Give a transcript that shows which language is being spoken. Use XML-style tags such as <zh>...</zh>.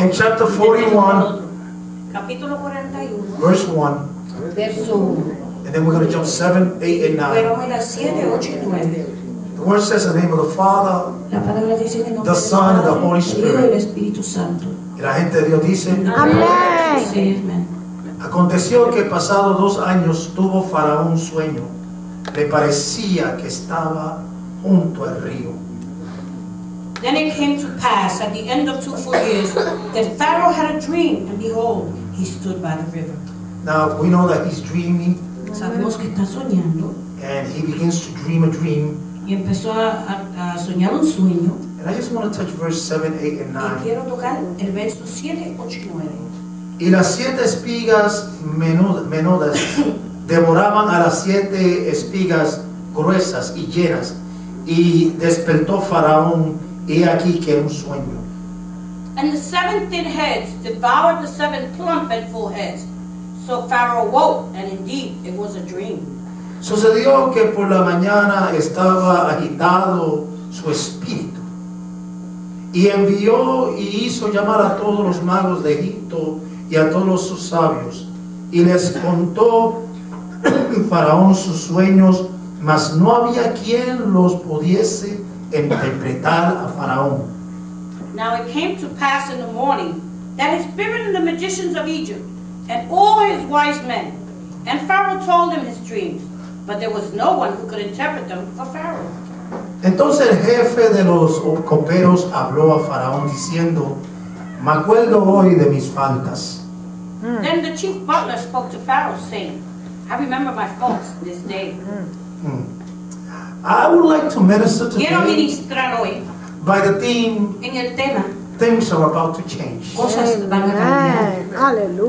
<en>in chapter 41,</en> <es>capítulo 41</es> <en>verse 1,</en> <es>verso,</es> <en>and then we're going to jump 7, 8, and 9. The word says in the name of the Father, the Son, and the Holy Spirit.</en> <es>Y la gente de Dios dice, amén. Aconteció que pasado 2 años tuvo Faraón un sueño. Le parecía que estaba junto al río.</es> <en>Then it came to pass at the end of 2 full years that Pharaoh had a dream, and behold, he stood by the river. Now we know that he's dreaming.</en> <es>Sabemos que está soñando.</es> <en>And he begins to dream a dream.</en> <es>Y empezó a soñar un sueño.</es> <en>And I just want to touch verse 7, 8, and 9.</en> <es>Y quiero tocar el verso 7, 8 y 9. Y las 7 espigas menudas devoraban a las 7 espigas gruesas y llenas. Y despertó Faraón, y aquí que era un sueño.</es> <en>And the 7 thin heads devoured the 7 plump and full heads. So Pharaoh woke, and indeed it was a dream.</en> <es>Sucedió que por la mañana estaba agitado su espíritu, y envió y hizo llamar a todos los magos de Egipto y a todos sus sabios, y les contó Faraón sus sueños, mas no había quien los pudiese interpretar a Faraón.</es> <en>Now it came to pass in the morning that his spirit and the magicians of Egypt and all his wise men, and Pharaoh told them his dreams. But there was no one who could interpret them for Pharaoh.</en> <es>Entonces el jefe de los coperos habló a Faraón diciendo, me acuerdo hoy de mis faltas.</es> <en>Then the chief butler spoke to Pharaoh saying, I remember my faults this day. I would like to minister to</en> <es>quiero ministrar hoy.</es> <en>By the theme.</en> <es>En el tema.</es> <en>Things are about to change.</en> <es>Cosas van a cambiar. Aleluya.</es>